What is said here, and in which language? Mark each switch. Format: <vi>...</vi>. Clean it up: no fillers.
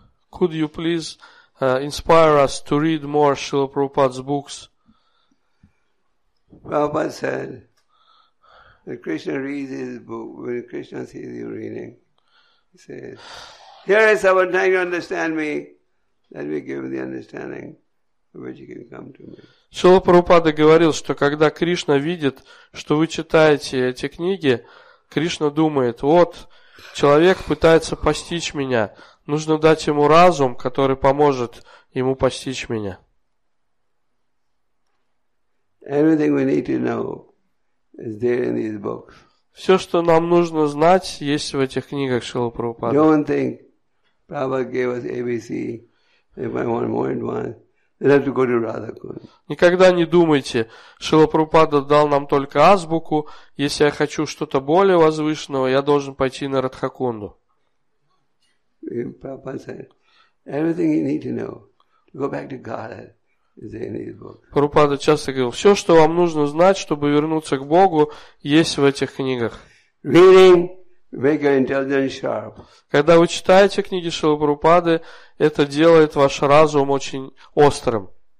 <en>Could you please inspire us to read more Srila Prabhupada's books? Prabhupada said, when Krishna reads his book, when Krishna sees you reading, he says, here is someone trying to understand me. Let me give the understanding which you can come to me.</en> <ru>Шрила Прабхупада говорил, что когда Кришна видит, что вы читаете эти книги, Кришна думает, вот, человек пытается постичь меня, нужно дать ему разум, который поможет ему постичь меня.</ru> <en>Everything we need to know is there in these books.</en> <ru>Все, что нам нужно знать, есть в этих книгах Шрила Прабхупада.</ru> <en>Don't think Prabhupada gave us ABC. If I want more advice, then I have to go to Radha Kund.</en> <ru>Никогда не думайте, Шрила Прабхупада дал нам только азбуку. Если я хочу что-то более возвышенного, я должен пойти на Радха Кунду.</ru> <en>Prabhupada said, everything you need to know to go back to Godhead is in these books.</en> <ru>Прабхупада часто говорил, все, что вам нужно знать, чтобы вернуться к Богу, есть в этих книгах.</ru> <en>Reading make your intelligence sharp.</en> <ru>Когда вы читаете книги Шрила Прабхупады, это делает ваш разум очень острым.</ru>